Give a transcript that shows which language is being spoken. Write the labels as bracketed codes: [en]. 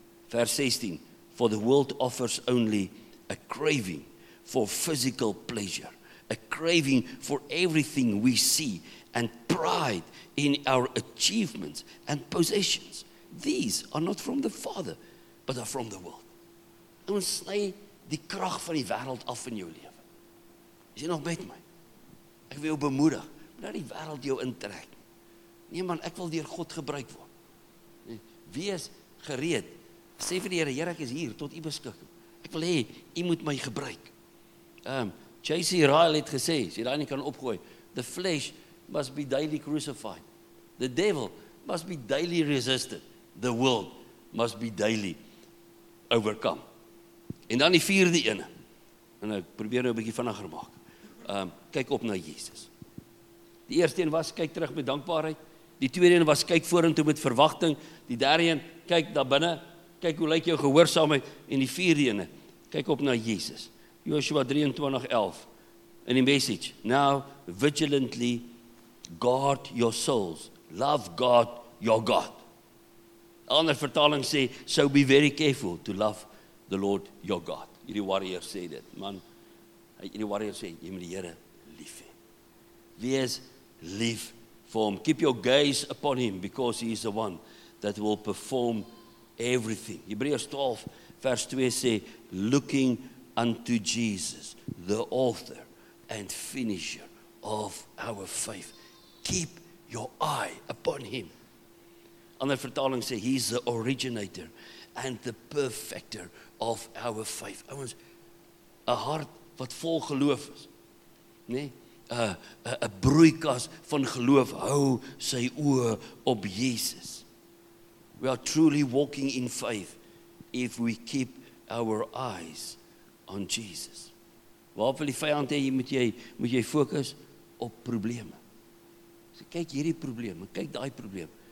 [en] Vers 16, for the world offers only a craving for physical pleasure, a craving for everything we see, and pride in our achievements and possessions. These are not from the Father, but are from the world. [af] Ons sny die krag van die wêreld af in jou lewe. Is jy nog met my? Ek wil jou bemoedig, laat die wêreld jou intrek. Nee man, ek wil deur God gebruik word. Wees gereed. Sê vir die Here, Here, ek is hier tot u beskikking. Ek wil hê u moet my gebruik. J.C. Ryle het gesê, as jy daai nie kan opgooi, the flesh must be daily crucified. [en] The devil must be daily resisted. The world must be daily overcome. [af] En dan die vierde een. En ek probeer nou 'n bietjie vinniger maak. Kyk op na Jesus. Die eerste een was kyk terug met dankbaarheid. Die tweede een was kyk vorentoe met verwagting. Die derde een, kyk daar binne, kyk hoe lyk jou gehoorsaamheid. En die vierde een, kyk op na Jesus. Joshua 23:11 in die Message. [en] Now vigilantly guard your souls. Love God, your God. [af] Ander vertaling sê, [en] so be very careful to love the Lord, your God. [af] Hierdie warrior sê dit. Man, hierdie warrior sê, jy moet die Here lief hê. Wees lief. [en] Keep your gaze upon him because he is the one that will perform everything. [af] Hebreërs 12 vers 2 sê, [en] looking unto Jesus, the author and finisher of our faith. Keep your eye upon him. [af] Ander vertaling sê, [en] he is the originator and the perfecter of our faith. [af] Ouens, 'n hart wat vol geloof is. Nee? 'n broeikas van geloof hou sy oë op Jesus. [en] We are truly walking in faith if we keep our eyes on Jesus. [af] Waarop wil die vyand hê, moet jy fokus op probleme. So kyk hierdie probleem, kyk daai probleem.